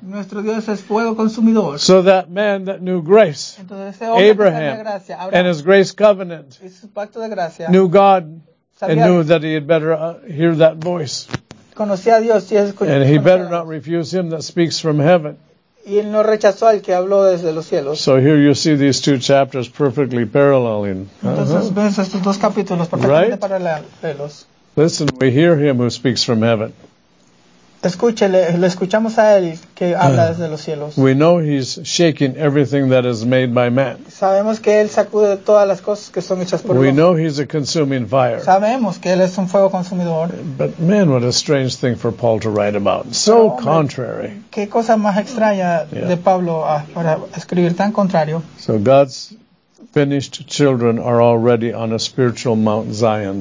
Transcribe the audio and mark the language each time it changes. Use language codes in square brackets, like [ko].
[es] Nuestro Dios es fuego consumidor. [en] So that man that knew grace. [es] Entonces, ese hombre [en] Abraham. And his grace covenant. [es] Y su pacto de gracia. [en] Knew God. And knew that he had better hear that voice. [es] Conocía a Dios y escuchó. [en] And he better not refuse him that speaks from heaven. [es] Y él no rechazó al que habló desde los cielos. [en] So here you see these two chapters perfectly paralleling. [es] Entonces ves estos dos capítulos perfectamente [en] right? [es] Paralelos. [en] Listen, we hear him who speaks from heaven. [es] Escúchele, le escuchamos a él que habla desde los cielos. [en] We know he's shaking everything that is made by man. [es] Sabemos que él sacude todas las cosas que son hechas por [en] hombre. We know he's a consuming fire. [es] Sabemos que él es un fuego consumidor. [en] But man, what a strange thing for Paul to write about. So [es] hombre, [en] contrary. [es] Qué cosa más extraña yeah. De Pablo para escribir tan contrario. [en] So God's finished children are already on a spiritual Mount Zion.